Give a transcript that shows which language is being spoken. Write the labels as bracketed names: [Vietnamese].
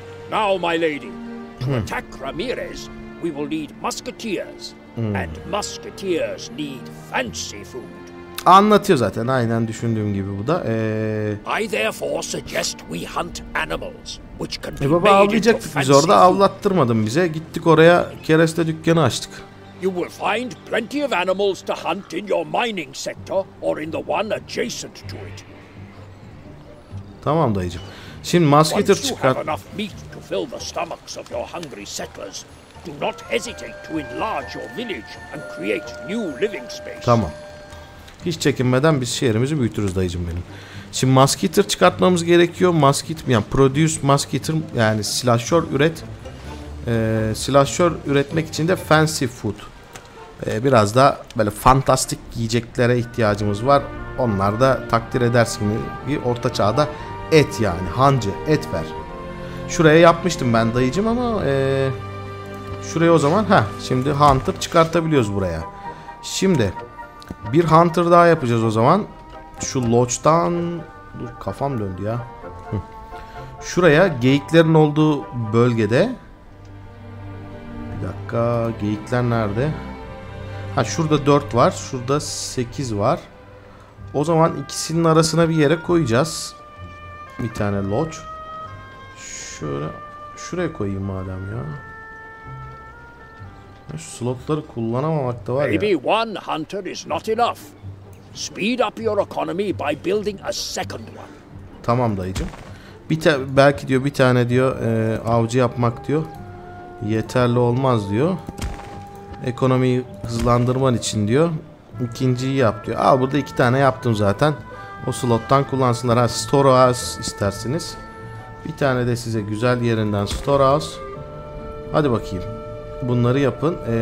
[English] Now my lady, to attack Ramirez, we will need musketeers. Hmm. And musketeers need fancy food. [Turkish] Anlatıyor zaten, aynen düşündüğüm gibi bu da. [English] I therefore suggest we hunt animals which can be [Turkish] baba avlayacak biz orada [English] food. [Turkish] Avlattırmadım bize. Gittik oraya, kereste dükkanı açtık. [English] You will find plenty of animals to hunt in your mining sector or in the one adjacent to it. [Turkish] Tamam dayıcım. Şimdi musketeer çıkar. [English] Once you have enough meat to fill the stomachs of your hungry settlers, do not hesitate to enlarge your village and create new living space. [Turkish] Tamam. Hiç çekinmeden biz şehrimizi büyütürüz dayıcım benim. Şimdi musketeer çıkartmamız gerekiyor. Musketeer, yani [English] produce musketeer, [Turkish] yani silahşör üret. Silahşör üretmek için de [English] fancy food. [Turkish] Biraz da böyle fantastik yiyeceklere ihtiyacımız var. Onlar da takdir edersin, bir orta çağda et, yani hancı et ver. Şuraya yapmıştım ben dayıcım ama şuraya o zaman, ha şimdi hunter çıkartabiliyoruz buraya. Şimdi bir hunter daha yapacağız o zaman. Şu lodge'dan, dur kafam döndü ya. Şuraya geyiklerin olduğu bölgede, bir dakika geyikler nerede? Ha şurada 4 var, şurada 8 var. O zaman ikisinin arasına bir yere koyacağız. Bir tane lodge. Şuraya koyayım madem ya. Şu slotları kullanamamak da var ya. [English] Maybe one hunter is not enough. Speed up your economy by building a second one. [Turkish] Tamam dayıcım. Belki diyor bir tane diyor avcı yapmak diyor yeterli olmaz diyor. Ekonomiyi hızlandırman için diyor. İkinciyi yap diyor. Aa burada iki tane yaptım zaten. O slottan kullansınlar. Ha storehouse istersiniz. Bir tane de size güzel yerinden storehouse. Hadi bakayım. Bunları yapın.